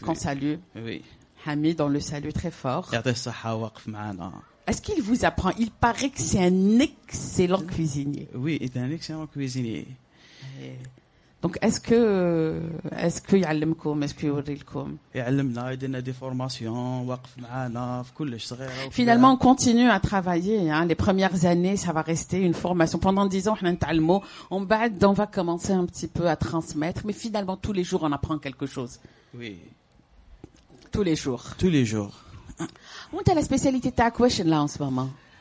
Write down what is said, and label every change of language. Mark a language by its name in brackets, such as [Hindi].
[French] Qu'on salue. Oui. Hamid, on le salue très fort. Est-ce qu'il vous apprend? Il paraît que c'est un excellent cuisinier. Oui, il est un excellent cuisinier. Donc est-ce que [Arabic] يعلمكم [French] est-ce que [Arabic] يوريلكم يعلمنا يدينا [French] دي فورماسيون [Arabic] وقف معانا في كلش صغيره [French] finalement on continue à travailler hein les premières années ça va rester une formation pendant 10 ans [Arabic] حنا نتعلموا ومن بعد [French] on va commencer un petit peu à transmettre mais finalement tous les jours on apprend quelque chose oui tous les jours [Arabic] وانت [French] la spécialité ta question là en ce moment